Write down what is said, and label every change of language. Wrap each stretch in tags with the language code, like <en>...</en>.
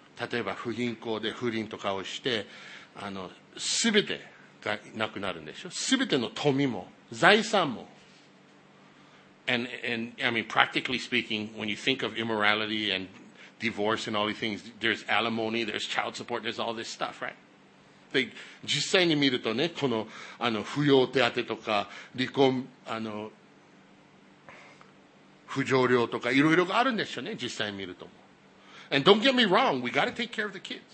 <ja>例えば不貧困で不倫とかをして、すべてがなくなるんでしょ。すべての富も財産も。</ja> <en>And I mean, practically speaking, when you think of immorality and divorce and all these things, there's alimony, there's child support, there's all this stuff, right?</en> <ja>で実際に見るとね、この扶養手当とか離婚扶助料とかいろいろがあるんでしょうね、実際に見るとも。</ja> <en>And don't get me wrong, we got to take care of the kids.</en>